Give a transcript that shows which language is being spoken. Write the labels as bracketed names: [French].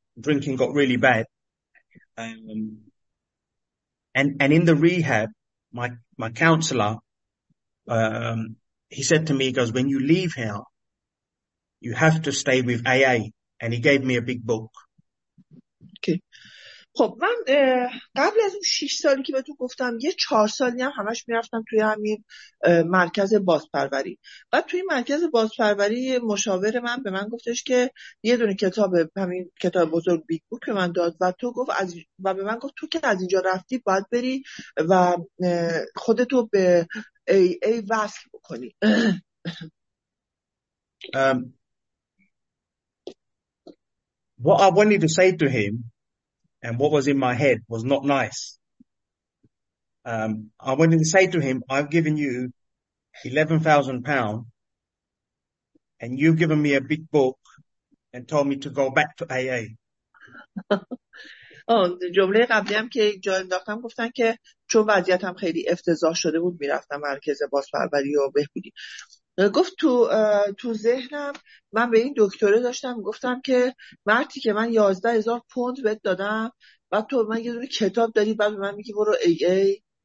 [English] drinking got really bad. And in the rehab, my counselor, he said to me, he goes, when you leave here, you have to stay with AA. And he gave me a big book. [Persian] خب من قبل از اون 6 سالی که به تو گفتم یه 4 سالی هم همش میرفتم توی همین مرکز بازپروری. بعد توی مرکز بازپروری مشاور من به من گفتش که یه دونه کتاب همین کتاب بزرگ بیگ بوک به من داد و تو گفت از و به من گفت تو که از اینجا رفتی باید بری و خودتو به AA وصل بکنی. [English] What I wanted to say to him and what was in my head was not nice. I wanted to say to him, I've given you £11,000 and you've given me a big book and told me to go back to AA. [Persian] جمله قبلی هم که جا انداختم گفتن که چون وضعیتم خیلی افتضاح شده بود میرفتم مرکز بازپروری و بهبودی. گفت تو ذهنم من به این دکتره داشتم گفتم که مرتی که من 11,000 پوند بهت دادم و تو من یه دونه کتاب داری بعد به من میگی برو ای ای.